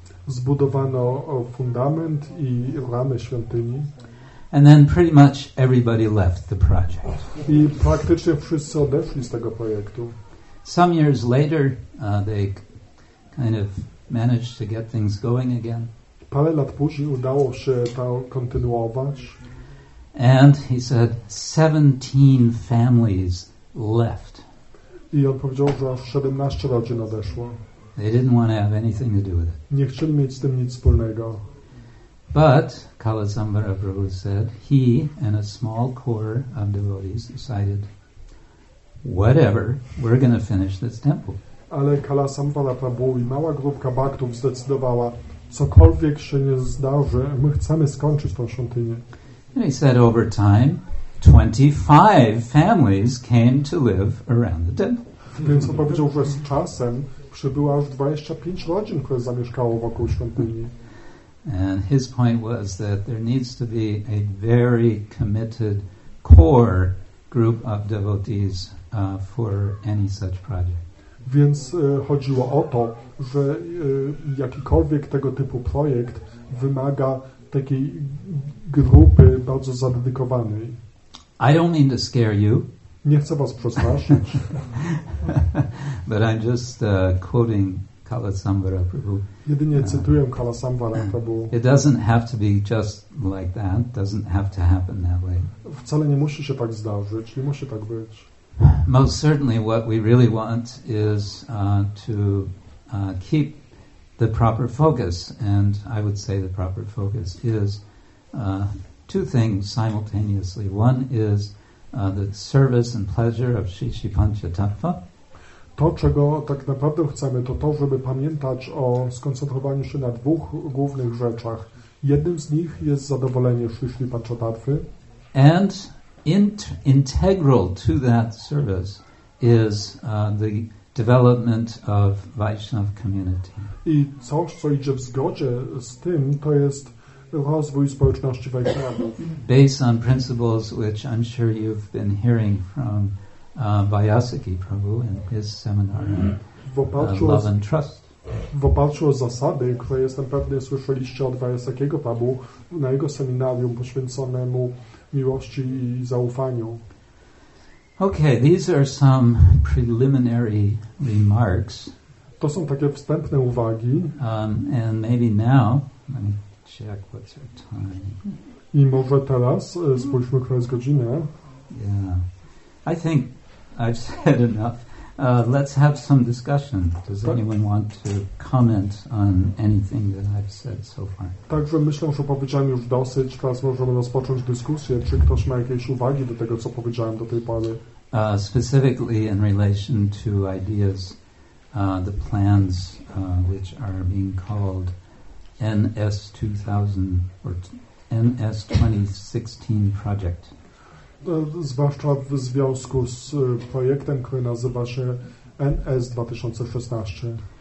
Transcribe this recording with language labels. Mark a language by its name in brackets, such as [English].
[Polish] Zbudowano fundament i ramy świątyni. [English] And then pretty much everybody left the project. [Polish] I praktycznie wszyscy odeszli z tego projektu. [English] Some years later, they kind of managed to get things going again. [Polish] Parę lat później udało się to kontynuować. [English] And he said 17 families left. [Polish] I on powiedział, że aż 17 rodzin odeszło. [English] They didn't want to have anything to do with it. [Polish] Nie chcieli mieć z tym nic wspólnego. [English] But Kalasambara Prabhu said he and a small core of devotees decided, whatever, we're going to finish this temple. [Polish] Ale Kalasambara Prabhu i mała grupka baktów zdecydowała, cokolwiek się nie zdarzy, my chcemy skończyć tą świątynię. [English] And he said over time, 25 families came to live around the temple. [Polish] Więc on powiedział, że z czasem przybyło aż 25 rodzin, które zamieszkało wokół świątyni. [English] And his point was that there needs to be a very committed core group of devotees for any such project. [Polish] Więc chodziło o to, że jakikolwiek tego typu projekt wymaga takiej grupy bardzo zadedykowanej. [English] I don't mean to scare you. [Polish] Nie chcę was przestraszyć. [English] But I'm just quoting Kalasambara Prabhu. [Polish] Jedynie cytuję Kalasambara Prabhu. [English] It doesn't have to be just like that. Doesn't have to happen that way. [Polish] Wcale nie musi się tak zdarzyć, nie musi tak być. [English] Most certainly what we really want is to keep the proper focus, and I would say the proper focus is two things simultaneously. One is the service and pleasure of Śrī Pañcatattva. [Polish] To, czego tak naprawdę chcemy, to, żeby pamiętać o skoncentrowaniu się na dwóch głównych rzeczach. Jednym z nich jest zadowolenie Śrī Pañcatattvy. [English] And integral to that service is the development of Vaishnava community. [Polish] I coś, co idzie w zgodzie z tym, to jest rozwój społeczności Vaishnava. [English] Based on principles which I'm sure you've been hearing from Vyasaki Prabhu in his seminar on love and trust. [Polish] W oparciu o zasady, które jestem pewny słyszeliście od Vyasakiego Prabhu na jego seminarium poświęconemu miłości i zaufaniu. [English] Okay, these are some preliminary remarks. [Polish] To są takie wstępne uwagi. [English] And maybe now, let me check what's our time. [Polish] I może teraz spójrzmy, która jest godzina. [English] Yeah, I think I've said enough. Let's have some discussion. Does anyone want to comment on anything that I've said so far? [Polish] Także myślę, że powiedziałem już dosyć. Teraz możemy rozpocząć dyskusję. Czy ktoś ma jakieś uwagi do tego, co powiedziałem do tej pory? [English] Specifically in relation to ideas, the plans which are being called NS2000 or NS2016 project. [Polish] Zwłaszcza w związku z projektem, który nazywa się NS2016.